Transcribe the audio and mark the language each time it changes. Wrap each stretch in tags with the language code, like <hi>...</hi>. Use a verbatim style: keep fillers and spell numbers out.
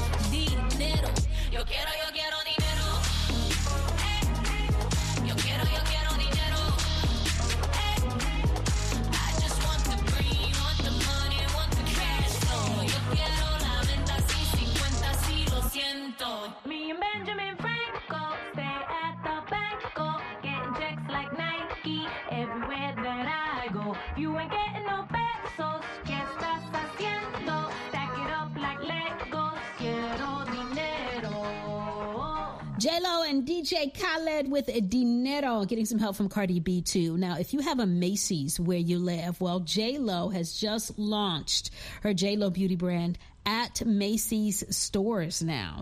<es>Dinero, yo quiero, yo quiero dinero. Yo quiero, yo quiero dinero.</es> <en>I just want the green, want the money, want the cash flow.</en> <es>Yo quiero la venta, sí, cincuenta, sí, lo siento.</es> <en>Me and Benjamin Franco stay at the Banco, getting checks like Nike everywhere that I go. If you ain't getting no pesos,</en> <es>¿qué estás haciendo?</es> <en>Stack it up like Legos.</en> <es>Quiero dinero.</es> <en>J-Lo and D J Khaled with Dinero, getting some help from Cardi B too. Now, if you have a Macy's where you live, well, J-Lo has just launched her J-Lo beauty brand at Macy's stores now.</en>